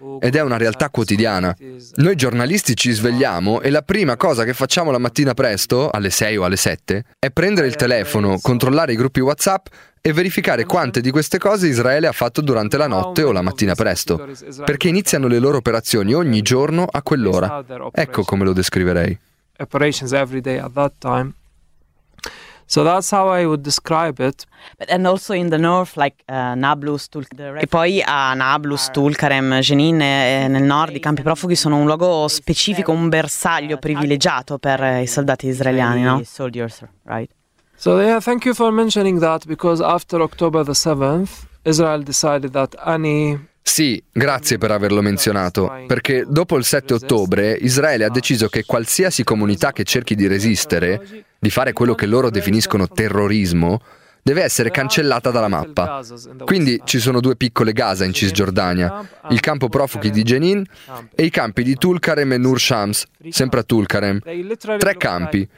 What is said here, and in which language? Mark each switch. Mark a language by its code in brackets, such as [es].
[it] Ed è una realtà quotidiana. Noi giornalisti ci svegliamo e la prima cosa che facciamo la mattina presto, alle 6 o alle 7, è prendere il telefono, controllare i gruppi WhatsApp e verificare quante di queste cose Israele ha fatto durante la notte o la mattina presto, perché iniziano le loro operazioni ogni giorno a quell'ora. Ecco come lo descriverei. [en] Operations every day at that time. So that's how I would describe it. And also in the north, like Nablus, Tulkarem. [it] E poi a Nablus, Tulkarem, Jenin, nel nord, i campi profughi sono un luogo specifico, un bersaglio privilegiato per i soldati israeliani, no? [en] Soldiers, right? So yeah, thank you for mentioning that, because after October the 7th, Israel decided that any. [it] Sì, grazie per averlo menzionato, perché dopo il 7 ottobre Israele ha deciso che qualsiasi comunità che cerchi di resistere, di fare quello che loro definiscono terrorismo, deve essere cancellata dalla mappa. Quindi ci sono due piccole Gaza in Cisgiordania, il campo profughi di Jenin e i campi di Tulkarem e Nur Shams, sempre a Tulkarem. Tre campi.